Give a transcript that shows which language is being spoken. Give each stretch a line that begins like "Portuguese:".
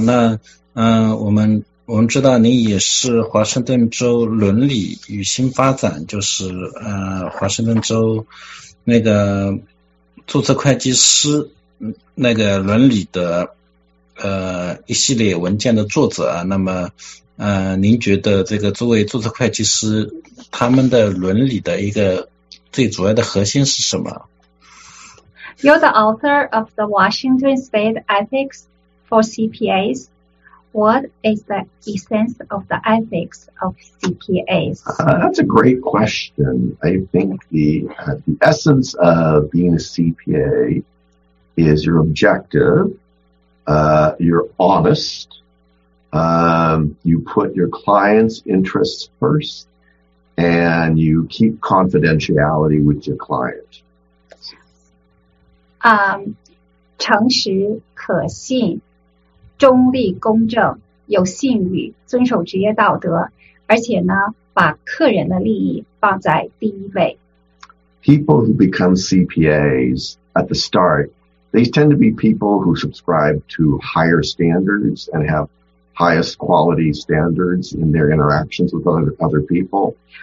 Chinese: 那我们知道您也是华盛顿州伦理与新发展，就是华盛顿州那个注册会计师那个伦理的一系列文件的作者啊。那么您觉得这个作为注册会计师，他们的伦理的一个最主要的核心是什么？
English: You're the author of the Washington State Ethics for CPAs. What is the essence of the ethics of CPAs? That's a great question. I think the essence of being a CPA is you're objective, you're honest, you put your clients' interests first, and you keep confidentiality with your client.
Chinese: 诚实、可信、中立、公正、有信誉、遵守职业道德，而且呢，把客人的利益放在第一位。
English: People who become CPAs at the start, they tend to be people who subscribe to higher standards and have highest quality standards in their interactions with other people.